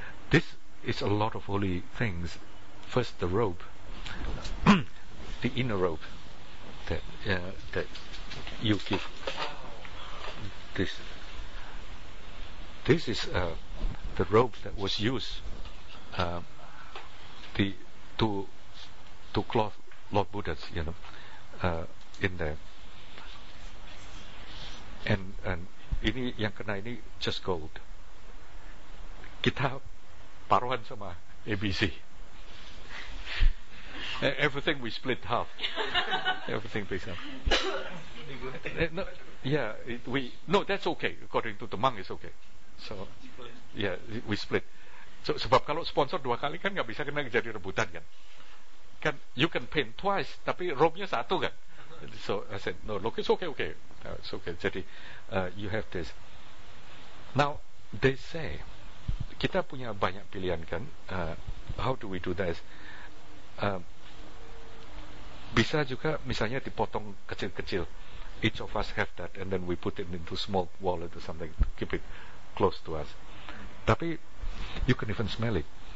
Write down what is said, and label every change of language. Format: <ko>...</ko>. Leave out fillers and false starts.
<en>This is a lot of holy things. First the robe, the inner robe that that you give. This is the robe that was used to cloth Lord Buddha's, you know, in there.</en> <id>And ini yang kena ini</id> <en>just gold.</en> <id>Kita paruhan sama ABC.</id> <en>Everything we split half. Everything split half. No, yeah, that's okay. According to the monk, it's okay. So, yeah, we split.</en> <id>So, sebab kalau sponsor dua kali kan nggak bisa kena jadi rebutan kan?</id> <en>Kan, you can paint twice,</en> <id>tapi robe-nya satu kan?</id> <en>So I said, no, look, it's okay, okay, it's okay. Jadi, you have this. Now they say,</en> <id>kita punya banyak pilihan kan?</id> <en>How do we do this?</en> <id>Bisa juga misalnya dipotong kecil-kecil.</id> <en>Each of us have that, and then we put it into small wallet or something to keep it close to us.</en> <id>Tapi</id> <en>you can even smell it.</en>